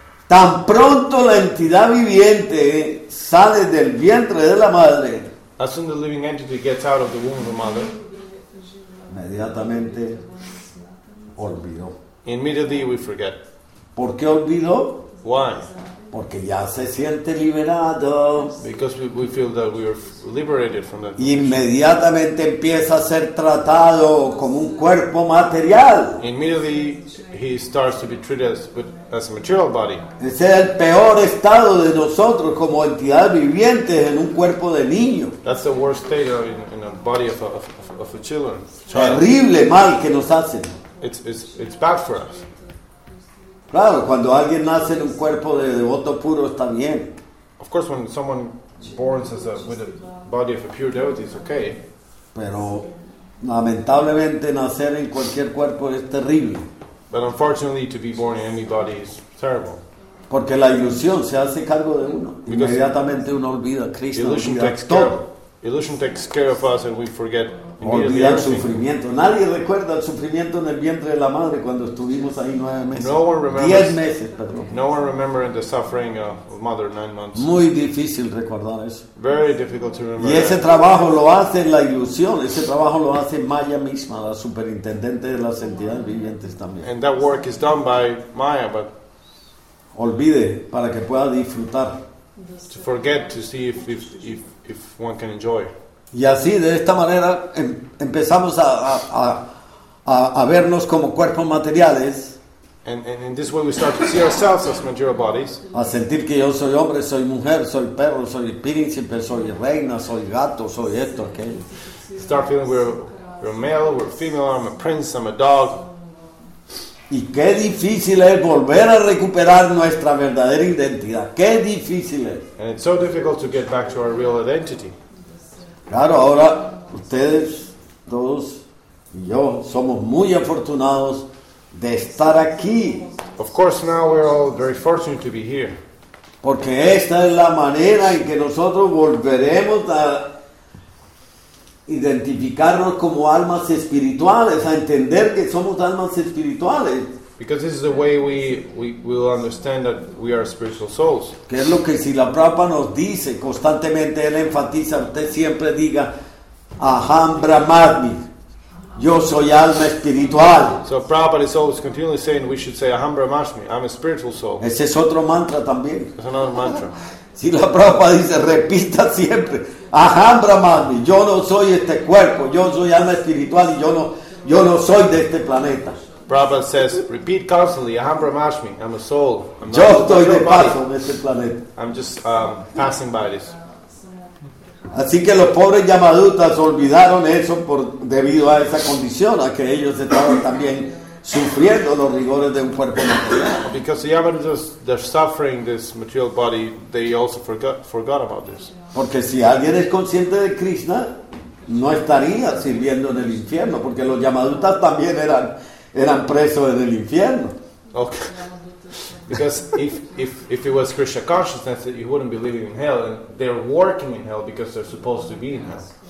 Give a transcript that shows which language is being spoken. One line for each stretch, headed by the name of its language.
Spanish: Tan pronto la entidad viviente sale del vientre de la madre.
English: As soon as the living entity gets out of the womb of the mother,
Spanish: inmediatamente olvidó.
English: Immediately we forget.
Spanish: ¿Por qué olvidó?
English: Why?
Spanish: Porque ya se siente liberado.
English: Because we feel that we are liberated from that.
Spanish: Inmediatamente empieza a ser tratado como un cuerpo material.
English: Immediately he starts to be treated as a material body.
Spanish: Ese es el peor estado de nosotros como entidades vivientes en un cuerpo de niño.
English: That's the worst state in a body of a children.
Spanish: Terrible mal que nos hacen.
English: It's bad for us.
Spanish: Claro, cuando alguien nace en un cuerpo de devoto puro está bien.
English: Of course, when someone born with a body of a pure devotee, it's okay.
Spanish: Pero lamentablemente nacer en cualquier cuerpo es terrible.
English: But unfortunately, to be born in any body is terrible.
Spanish: Porque la ilusión se hace cargo de uno. Inmediatamente uno olvida a Krishna.
English: Illusion takes care of us and we forget.
Spanish: Olvida el sufrimiento. Nadie recuerda el sufrimiento en el vientre de la madre cuando estuvimos ahí 9 meses.
English: No one remembers.
Spanish: 10 meses, perdón.
English: No one remembers the suffering of mother 9 months.
Spanish: Muy difícil recordar eso.
English: Very difficult to remember.
Spanish: Y ese trabajo lo hace la ilusión. Ese trabajo lo hace Maya misma, la superintendente de las entidades vivientes también.
English: And that work is done by Maya, but
Spanish: olvide para que pueda disfrutar.
English: To forget to see if one can enjoy.
Spanish: Y así, de esta manera, empezamos a vernos como cuerpos materiales.
English: And in this way we start to see ourselves as material bodies.
Spanish: A sentir que yo soy hombre, soy mujer, soy perro, soy príncipe, soy reina, soy gato, soy esto, aquello.
English: Start feeling we're male, we're female, I'm a prince, I'm a dog.
Spanish: Y qué difícil es volver a recuperar nuestra verdadera identidad. Qué difícil es.
English: And it's so difficult to get back to our real identity.
Spanish: Claro, ahora ustedes, todos y yo, somos muy afortunados de estar aquí.
English: Of course, now we're all very fortunate to be here.
Spanish: Porque esta es la manera en que nosotros volveremos a identificarnos como almas espirituales, a entender que somos almas espirituales.
English: Because this is the way we will understand that we are spiritual souls.
Spanish: Que es lo que si la Prabhupada nos dice constantemente, él enfatiza, usted siempre diga, aham brahmasmi. Yo soy alma espiritual.
English: So Prabhupada is always continually saying we should say Aham Brahmasmi, I'm a spiritual soul.
Spanish: Ese es otro mantra también.
English: It's another mantra.
Spanish: Si la Prabhupada dice, repita siempre, Aham Brahmasmi, yo no soy este cuerpo, yo soy alma espiritual y yo no soy de este planeta.
English: Prabhupada says, repeat constantly, Aham Brahmasmi, I'm a soul. I'm
Spanish: yo not, estoy not de paso en este planeta.
English: I'm just passing by this.
Spanish: Así que los pobres Yamadutas olvidaron eso por debido a esa condición, a que ellos estaban también sufriendo los rigores de un cuerpo material.
English: Because the Yamadutas, they're suffering this material body, they also forgot about this.
Spanish: Porque si alguien es consciente de Krishna, no estaría sirviendo en el infierno, porque los Yamadutas también eran presos en el infierno.
English: Okay. Because if it was Krishna consciousness, he wouldn't be living in hell, and they're working in hell because they're supposed to be in hell.